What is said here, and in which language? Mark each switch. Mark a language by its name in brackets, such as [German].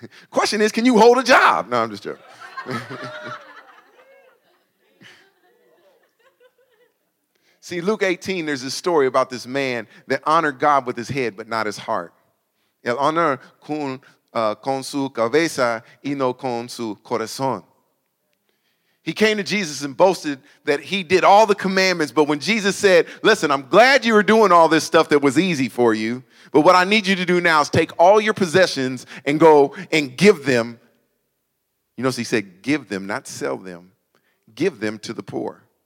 [English] Question is, can you hold a job? No, I'm just joking. See, Luke 18, there's this story about this man that honored God with his head, but not his heart. [Spanish] El honor con su cabeza y no con su corazón. [English] He came to Jesus and boasted that he did all the commandments, but when Jesus said, listen, I'm glad you were doing all this stuff that was easy for you, but what I need you to do now is take all your possessions and go and give them. You notice he said give them, not sell them. Give them to the poor.